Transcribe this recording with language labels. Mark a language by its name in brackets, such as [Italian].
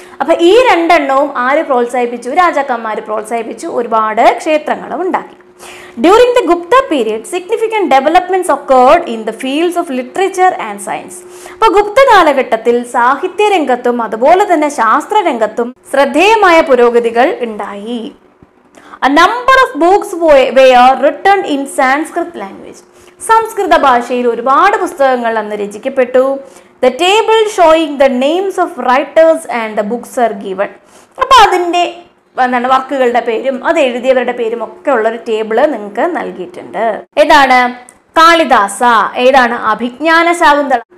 [Malayalam] അപ്പൊ ഈ രണ്ടെണ്ണവും ആര് പ്രോത്സാഹിപ്പിച്ചു? രാജാക്കന്മാർ പ്രോത്സാഹിപ്പിച്ചു. ഒരുപാട് ക്ഷേത്രങ്ങളും ഉണ്ടാക്കി. [English] During the Gupta period significant developments occurred in the fields of literature and science. [Malayalam] അപ്പൊ ഗുപ്ത കാലഘട്ടത്തിൽ സാഹിത്യരംഗത്തും അതുപോലെ തന്നെ ശാസ്ത്രരംഗത്തും ശ്രദ്ധേയമായ പുരോഗതികൾ ഉണ്ടായി. [English] A number of books were written in Sanskrit language. [Malayalam] സംസ്കൃത ഭാഷയിൽ ഒരുപാട് പുസ്തകങ്ങൾ അന്ന് രചിക്കപ്പെട്ടു. [English] The table showing the names of writers and the books are given. [Malayalam] അപ്പോൾ അതിൻ്റെ എന്താണ് വർക്കുകളുടെ പേരും അത് എഴുതിയവരുടെ പേരും ഒക്കെ ഉള്ളൊരു ടേബിള് നിങ്ങൾക്ക് നൽകിയിട്ടുണ്ട്. ഏതാണ് കാളിദാസ? ഏതാണ് അഭിജ്ഞാന ശാകുന്തളം?